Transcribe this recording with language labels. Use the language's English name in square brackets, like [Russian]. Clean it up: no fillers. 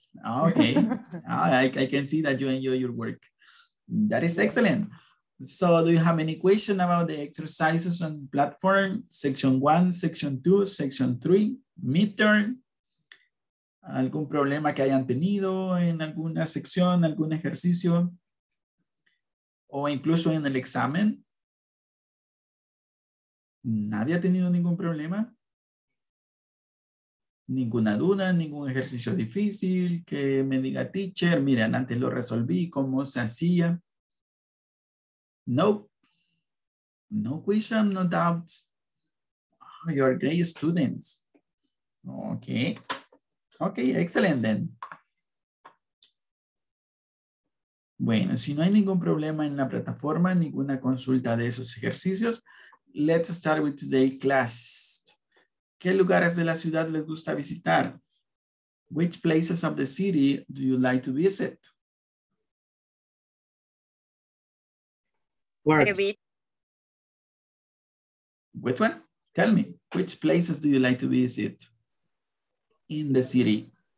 [English] I can see that you enjoy your work. That is excellent. So do you have any question about the exercises on platform? Section 1, section 2, section 3, midterm. [Spanish] ¿Algún problema que hayan tenido en alguna sección, algún ejercicio? ¿O incluso en el examen? ¿Nadie ha tenido ningún problema? Ninguna duda, ningún ejercicio difícil, que me diga teacher, miren, antes lo resolví, cómo se hacía. [English] Nope. No question, no doubt. Oh, you are great students. Okay. Okay, excellent then. [Spanish] Bueno, si no hay ningún problema en la plataforma, ninguna consulta de esos ejercicios, [English] let's start with today's class. [Spanish] ¿Qué lugares de la ciudad les gusta visitar? [English] Which places of the city do you like to visit? Works. Which one? Tell me. Which places do you like to visit in the city?